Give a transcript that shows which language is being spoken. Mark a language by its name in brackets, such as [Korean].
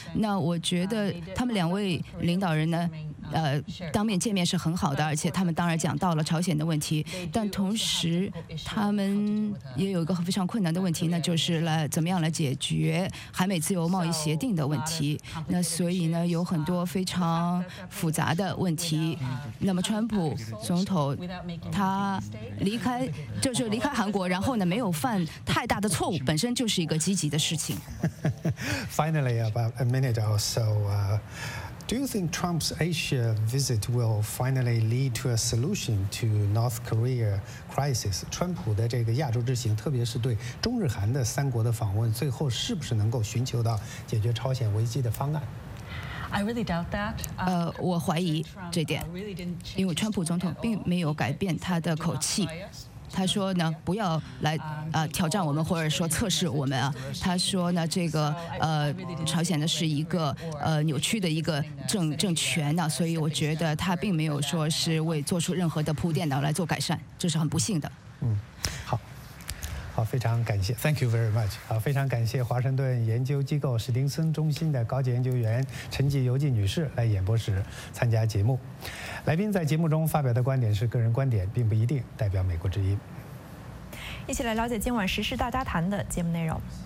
[Chinese] 那我觉得他们两位领导人呢当面见面是很好的，而且他们当然讲到了朝鲜的问题，但同时他们也有一个非常困难的问题，那就是来怎么样来解决韩美自由贸易协定的问题。那所以呢有很多非常复杂的问题。那么川普总统他离开韩国然后呢没有犯太大的错误，本身就是一个积极的事情。 [English] Finally, about a minute or so, Do you think Trump's Asia visit will finally lead to a solution to North Korea crisis? [Chinese] 川普的这个亚洲之行，特别是对中日韩的三国的访问，最后是不是能够寻求到解决朝鲜危机的方案？ [English] I really doubt that. [Chinese] 我怀疑这点，因为川普总统并没有改变他的口气。他说呢，不要来挑战我们，或者说测试我们啊。他说呢，这个朝鲜呢是一个扭曲的一个政权呢，所以我觉得他并没有说是为做出任何的铺垫呢来做改善，这是很不幸的。嗯，好，非常感谢 ， [English] Thank you very much。 [Chinese] 好，非常感谢华盛顿研究机构史丁森中心的高级研究员陈吉游记女士来演播室参加节目。来宾在节目中发表的观点是个人观点，并不一定代表美国之音。一起来了解今晚时事大家谈的节目内容。